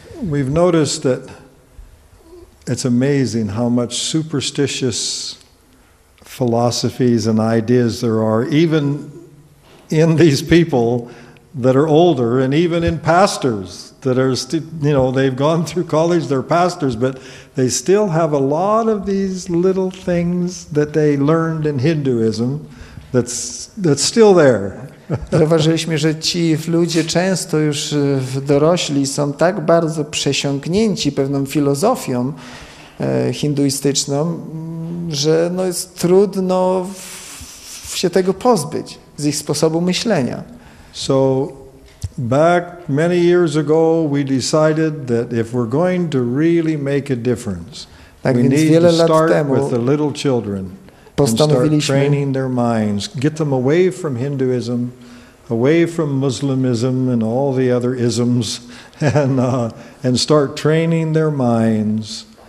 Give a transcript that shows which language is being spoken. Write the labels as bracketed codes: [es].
[en] We've noticed that it's amazing how much superstitious philosophies and ideas there are, even in these people that are older, and even in pastors that are, they've gone through college, they're pastors, but they still have a lot of these little things that they learned in Hinduism that's still there. [pl] Zauważyliśmy, że ci ludzie często już dorośli są tak bardzo przesiąknięci pewną filozofią hinduistyczną, że no jest trudno się tego pozbyć z ich sposobu myślenia. [en] So back many years ago we decided that if we're going to really make a difference, [pl] tak [en] we need to start [pl] temu, [en] with the little children [pl] postanowiliśmy, [en] and start training their minds, get them away from Hinduism, away from Muslimism and all the other isms, and start training their minds.